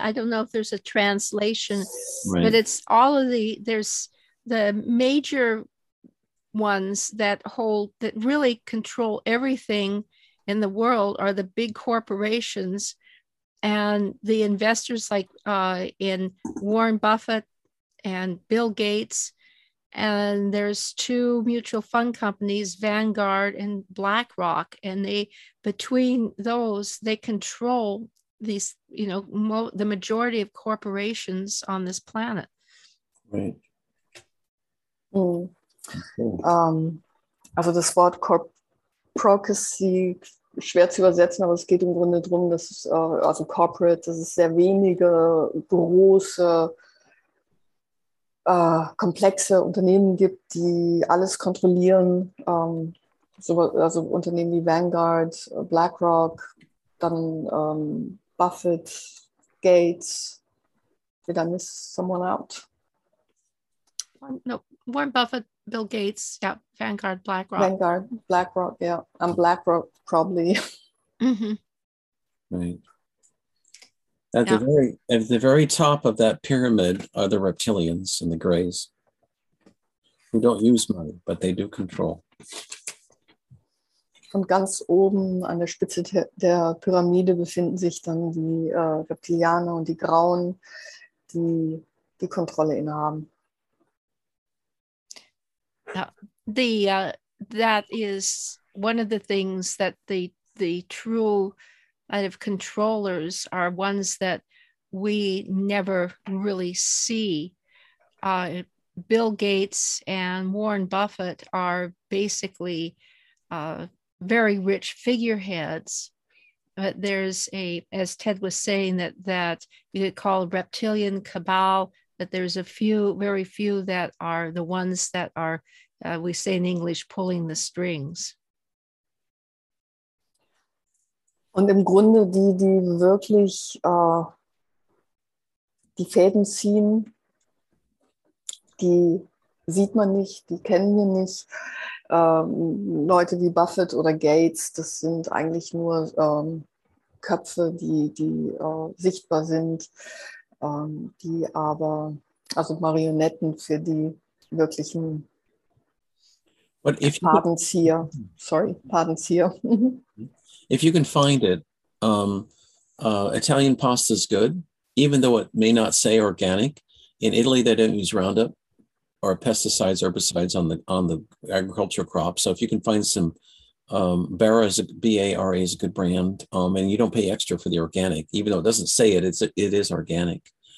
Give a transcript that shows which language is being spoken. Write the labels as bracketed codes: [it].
[en] I don't know if there's a translation, right. But it's all of the, there's the major ones that really control everything in the world are the big corporations and the investors like in Warren Buffett and Bill Gates. And there's two mutual fund companies, Vanguard and BlackRock, and they, between those, they control these, the majority of corporations on this planet. Right. [de] Also das Wort Corporacy schwer zu übersetzen, aber es geht im Grunde darum, dass es, also Corporate, dass es sehr wenige große, komplexe Unternehmen gibt, die alles kontrollieren. Also Unternehmen wie Vanguard, BlackRock, dann Buffett, Gates, [en] did I miss someone out? No, Warren Buffett, Bill Gates, yeah, Vanguard, BlackRock. Vanguard, BlackRock, yeah, and BlackRock probably. Mm-hmm. Right. At the very top of that pyramid are the reptilians and the grays, who don't use money, but they do control. [de] Und ganz oben an der Spitze der Pyramide befinden sich dann die Reptilianer und die Grauen, die die Kontrolle innehaben. [en] That is one of the things that the true kind of controllers are ones that we never really see. Bill Gates and Warren Buffett are basically very rich figureheads, but there's a, as Ted was saying, that you could call reptilian cabal, that there's a few, very few, that are the ones that are, we say in English, pulling the strings. [de] Und im Grunde die wirklich die Fäden ziehen, die sieht man nicht, die kennen wir nicht. Leute wie Buffett oder Gates, das sind eigentlich nur Köpfe, die sichtbar sind, die aber, also Marionetten für die wirklichen Fadenzieher. Sorry, Fadenzieher. [en] If you can find it, Italian pasta is good, even though it may not say organic. In Italy, they don't use Roundup or pesticides, herbicides on the agricultural crop. So if you can find some, Barra is B-A-R-A is a good brand, and you don't pay extra for the organic, even though it doesn't say it, it is organic.